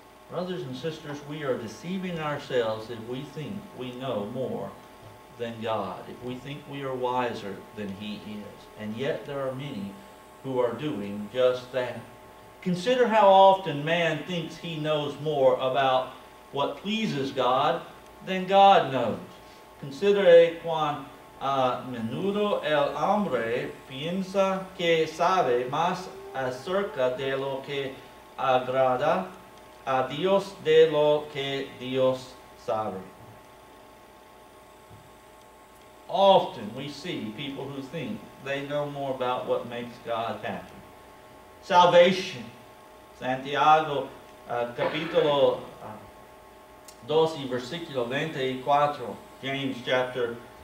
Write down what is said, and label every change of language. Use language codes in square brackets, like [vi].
[en] Brothers and sisters, we are deceiving ourselves if we think we know more than God, if we think we are wiser than he is. And yet there are many who are doing just that. Consider how often man thinks he knows more about what pleases God than God knows. [es] Consider cuán a menudo el hombre piensa que sabe más acerca de lo que agrada a Dios de lo que Dios sabe. [en] Often we see people who think they know more about what makes God happy. [es] Salvation. Santiago capítulo 12, versículo 24. [en] James chapter